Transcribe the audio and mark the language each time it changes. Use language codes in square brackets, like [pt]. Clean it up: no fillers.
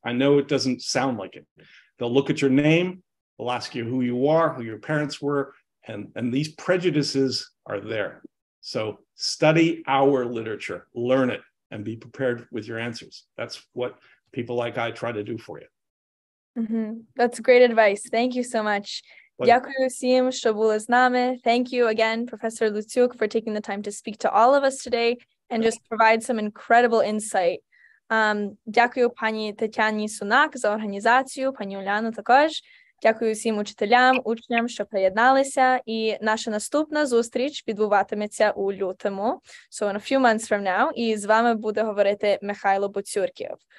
[en] I know it doesn't sound like it. They'll look at your name. They'll ask you who you are, who your parents were. And these prejudices are there. So study our literature. Learn it. And be prepared with your answers. That's what people like I try to do for you. Mm-hmm. That's great advice. Thank you so much. [uk] Дякую всім, що були з нами. [en] Thank you again, Professor Luciuk, for taking the time to speak to all of us today and just provide some incredible insight. [uk] Дякую пані Тетяні Сунак за організацію, пані Уляну також. Дякую всім учителям, учням, що приєдналися. І наша наступна зустріч відбуватиметься у лютому, [en] so in a few months from now, [uk] і з вами буде говорити Михайло Буцюрків.